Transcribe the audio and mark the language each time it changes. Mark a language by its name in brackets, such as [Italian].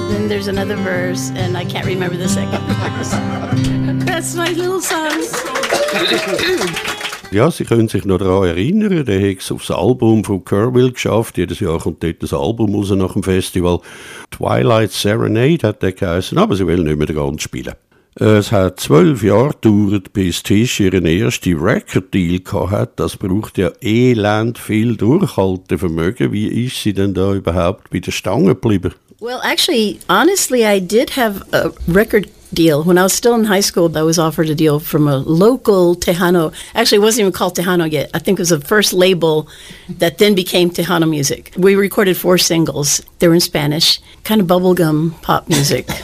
[English] There's another verse, and I can't remember the second verse. That's my little song. [German] Ja, Sie können sich noch daran erinnern, der hat es aufs Album von Kerrville geschafft. Jedes Jahr kommt dort ein Album raus nach dem Festival. Twilight Serenade hat der geheißen, aber sie will nicht mehr ganz spielen. Es hat 12 Jahre gedauert, bis Tish ihren ersten Record-Deal hatte. Das braucht ja elend viel Durchhaltevermögen. Wie ist sie denn da überhaupt bei der Stange geblieben? [English] Well, actually, honestly, I did have a record deal. When I was still in high school, I was offered a deal from a local Tejano. Actually, it wasn't even called Tejano yet. I think it was the first label that then became Tejano Music. We recorded four singles. They were in Spanish, kind of bubblegum pop music.